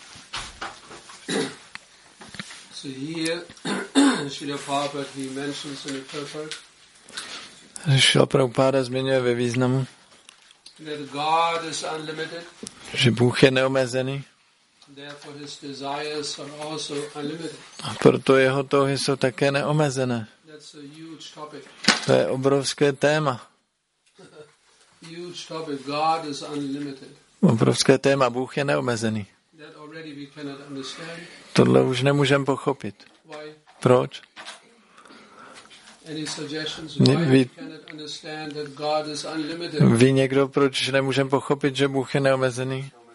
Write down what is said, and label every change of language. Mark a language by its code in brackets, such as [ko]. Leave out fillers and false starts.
[en] So here, Srila Prabhupada, he mentions in the purport, [cs] Srila Prabhupada zmiňuje ve významu, [en] that God is unlimited, [cs] že Bůh je neomezený, [en] therefore his desires are also unlimited. [cs] A proto jeho touhy jsou také neomezené. [en] That's a huge topic. [cs] To je obrovské téma. [en] Huge topic. God is unlimited. [cs] Obrovské téma. Bůh je neomezený. [en] That already we cannot understand. [cs] Tohle už nemůžeme pochopit. [en] Why? [cs] Proč? [en] Any suggestions? Why we cannot understand that God is unlimited? [cs] Ví někdo, proč nemůžeme pochopit, že Bůh je neomezený?